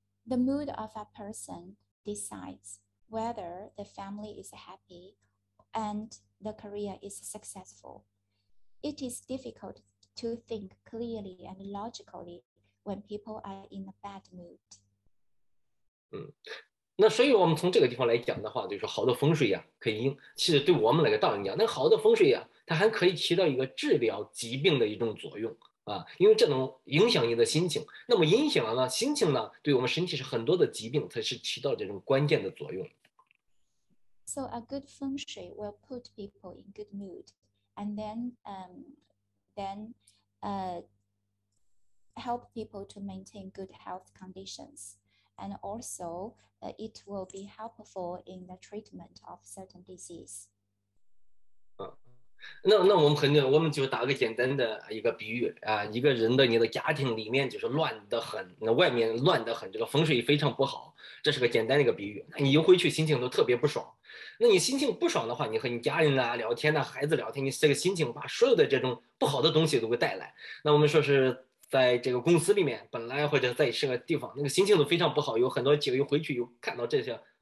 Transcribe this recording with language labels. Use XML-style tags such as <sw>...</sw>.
<en>The mood of a person decides whether the family is happy and the career is successful. It is difficult to think clearly and logically when people are in a bad mood.</en> <zh>那所以我们从这个地方来讲的话，就是好的风水呀，可以其实对我们来个道理讲，那好的风水呀，它还可以起到一个治疗疾病的一种作用。因为这能影响你的心情，那么影响了心情呢，对我们身体是很多的疾病，它是起到这种关键的作用。</zh> <en>So a good feng shui will put people in good mood, and then help people to maintain good health conditions. And also, it will be helpful in the treatment of certain disease.</en> <zh>那我们肯定，我们就打个简单的一个比喻啊，一个人的你的家庭里面就是乱得很，那外面乱得很，这个风水非常不好，这是个简单的一个比喻。那你一回去心情都特别不爽，那你心情不爽的话，你和你家人啊聊天呐，孩子聊天，你这个心情把所有的这种不好的东西都给带来。那我们说是在这个公司里面，本来或者在这个地方，那个心情都非常不好，有很多几个一回去又看到这些。</zh>